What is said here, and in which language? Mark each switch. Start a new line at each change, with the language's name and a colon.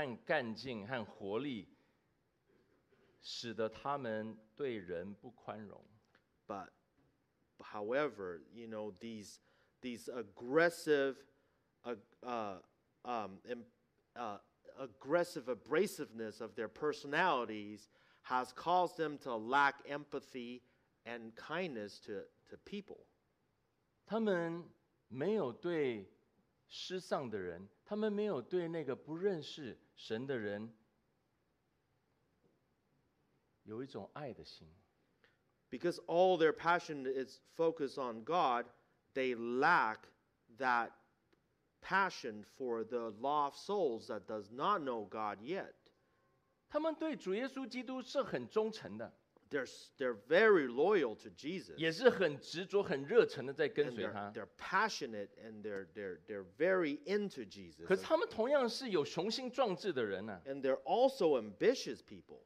Chinese: 可是他们的这些冲动和干劲和活力, 使得他们对人不宽容。
English: But, however, you know, these aggressive, aggressive abrasiveness of their personalities has caused them to lack empathy and kindness to people.
Chinese: 他们没有对失丧的人，他们没有对那个不认识神的人有一种爱的心。
English: Because all their passion is focused on God, they lack that passion for the lost souls that does not know God yet.
Chinese: 他们对主耶稣基督是很忠诚的。
English: They're very loyal to Jesus.
Chinese: 也是很执着、很热忱的在跟随他。
English: They're passionate and they're very into Jesus.
Chinese: 可是他们同样是有雄心壮志的人呢、啊。
English: And they're also ambitious people.